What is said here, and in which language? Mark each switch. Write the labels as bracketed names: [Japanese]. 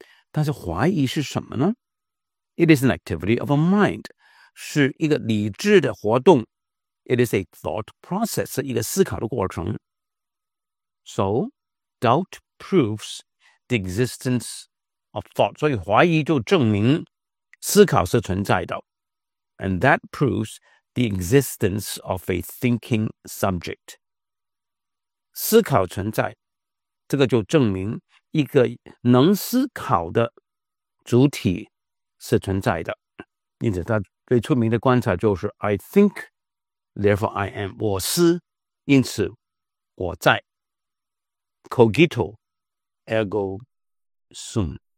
[Chinese] 但是怀疑是什么呢？ [English] It is an activity of a mind, [Chinese] 是一个理智的活动。 [English] It is a thought process, [Chinese] 一个思考的过程。 [English] So, doubt proves the existence of thought. [Chinese] 所以怀疑就证明思考是存在的。 [English] And that proves the existence of a thinking subject. [Chinese] 思考存在，这个就证明一个能思考的主体是存在的。因此他最出名的观察就是 [English] I think, therefore I am. [Chinese] 我思，因此我在。 [Latin] Cogito, ergo sum.